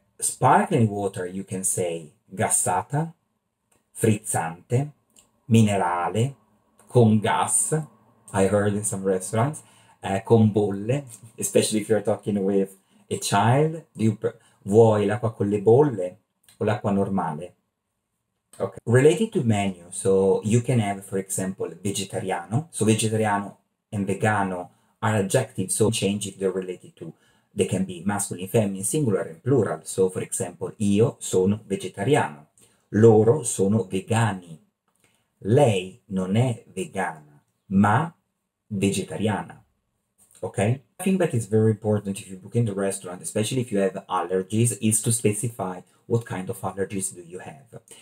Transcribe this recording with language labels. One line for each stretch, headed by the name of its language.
English: Sparkling water, you can say
Italian: gassata, frizzante, minerale, con gas,
English: I heard in some restaurants,
Italian: con bolle,
English: especially if you're talking with a child,
Italian: vuoi l'acqua con le bolle o l'acqua normale?
English: Okay. Related to menu, so you can have, for example, vegetariano. So vegetariano and vegano are adjectives, so change if they're related to. They can be masculine, feminine, singular and plural.
Italian: So, for example, io sono vegetariano. Loro sono vegani. Lei non è vegana, ma vegetariana.
English: Okay? I think that is very important if you book in the restaurant, especially if you have allergies, is to specify what kind of allergies do you have.